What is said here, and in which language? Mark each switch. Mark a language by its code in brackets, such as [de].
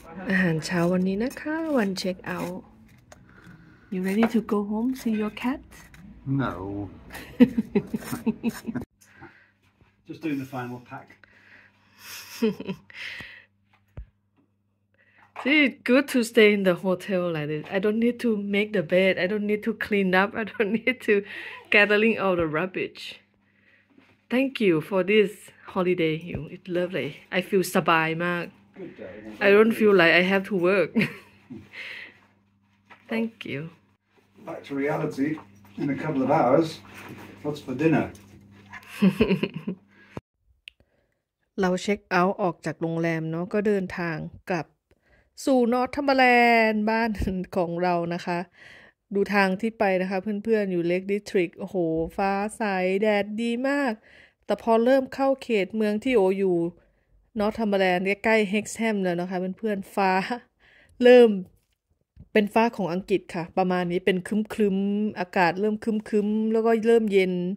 [th] อาหารเช้าวันนี้นะคะวันเช็คเอาท์ [en] You ready to go home see your cat? No Just doing the final pack See, it's good to stay in the hotel like this. I don't need to make the bed. I don't need to clean up. I don't need to gathering all the rubbish. Thank you for this holiday, Hugh. It's lovely. I feel [th] sabai mak. [en] I don't feel like I have to work. Thank you. Back to reality in a couple of hours. What's for dinner? [th] เราเช็คเอาท์ออกจากโรงแรมเนาะก็เดินทางกลับสู่นอร์ทเทอร์มาแลนด์บ้านของเรานะคะดูทางที่ไปนะคะเพื่อนๆอยู่เลคดิสทริกโอ้โหฟ้าใสแดดดีมากแต่พอเริ่มเข้าเขตเมืองที่โออยู่นอร์ทเทอร์มาแลนด์ใกล้ๆเฮ็กซ์แฮมแล้วนะคะเพื่อนๆฟ้าเริ่มเป็นฟ้าของอังกฤษค่ะประมาณนี้เป็นครึ้มๆอากาศเริ่มครึ้มๆแล้วก็เริ่มเย็น